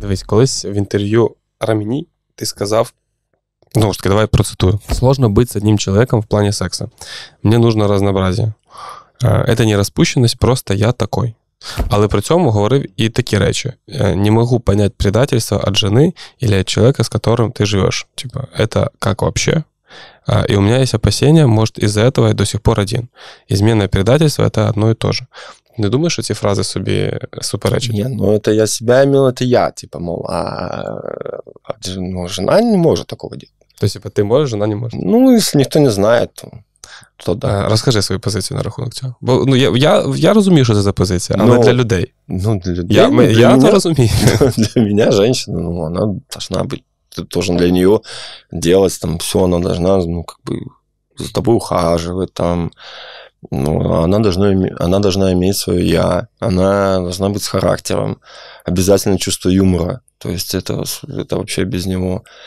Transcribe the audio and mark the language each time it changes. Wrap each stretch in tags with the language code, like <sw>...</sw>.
<uk>Дивись, колись в интервью Рамини ты сказав, ну,</uk> <ru>что давай я процитую. Сложно быть с одним человеком в плане секса. Мне нужно разнообразие. Это не распущенность, просто я такой.</ru> <uk>Але при цьому говорив і такі речі.</uk> <ru>Не можу понять предательство от жены или от человека, с которым ты живешь. Типа, это как вообще? И у меня есть опасения, может, из-за этого я до сих пор один. Изменное предательство — это одно и то же. Не думаешь, что эти фразы себе суперечат? Нет, ну это я себя имел, это я, типа, мол, а ну, жена не может такого делать. То есть, типа, ты можешь, жена не может? Ну, если никто не знает, то да. Расскажи свою позицию</ru> <uk>на рахунок цього. Бо, ну, я розумію, що це за позиція, але для людей. Ну, для людей. Я це розумію. Для мене жінка, ну, вона повинна бути, тобто для неї робити, там, все, вона повинна, ну, як би, за тобою ухаживати, там, ну,</uk> <ru>она должна иметь свое «я», она должна быть с характером, обязательно чувство юмора, то есть это вообще без него.</ru>